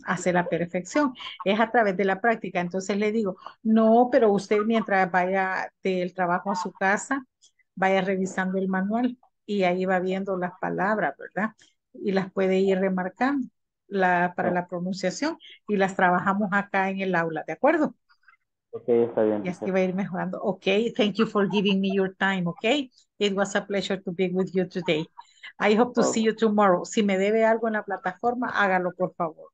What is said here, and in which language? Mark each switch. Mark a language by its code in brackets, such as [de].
[es] Hace la perfección, es a través de la práctica. Entonces le digo, no, pero usted mientras vaya del trabajo a su casa, vaya revisando el manual y ahí va viendo las palabras, ¿verdad? Y las puede ir remarcando la, para la pronunciación y las trabajamos acá en el aula, ¿de acuerdo? Ok, está bien. Y así va a ir mejorando. [en] Ok, thank you for giving me your time, ok? It was a pleasure to be with you today. I hope to see you tomorrow. [es] Si me debe algo en la plataforma, hágalo, por favor.